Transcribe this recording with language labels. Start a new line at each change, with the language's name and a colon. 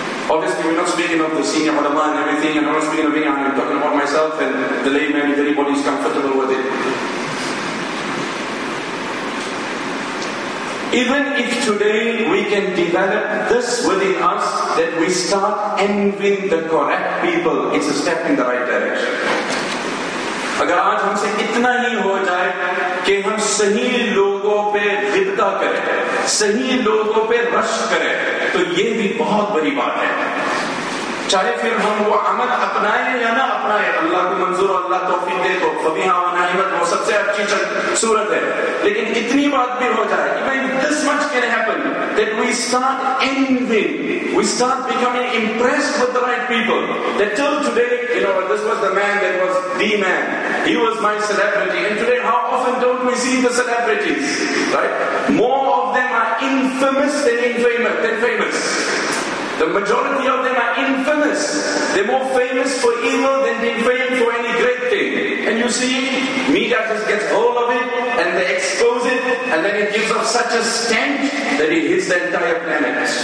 English: Obviously, we're not speaking of the senior ulama and everything, and I'm not speaking of me, I'm talking about myself and the layman, if anybody's comfortable with it. Even if today we can develop this within us, that we start envying the correct people, it's a step in the right direction.
Hindi: अगर आज हमसे इतना ही हो जाए कि हम सही लोगों पे गिब्ता करें, सही लोगों पे रश करें, तो ये भी बहुत बड़ी बात है। चाहे फिर हम वो अमल अपनाएं या ना अपनाएं, अल्लाह को मंजूर, अल्लाह तौफीक दे तो
Arabic: फबीहा वा नईमत,
Hindi: वो सबसे अच्छी सूरत है। लेकिन इतनी बात भी हो जाए,
English: Even this much can happen, that we start envying, we start becoming impressed with the right people, that till today you know this was the man, that was the man, he was my celebrity, and today how often don't we see the celebrities, right? More of them are infamous than famous. The majority of them are infamous. They're more famous for evil than being famed for any great thing. And you see, media just gets hold of it and they expose it, and then it gives off such a stench that it hits the entire planet.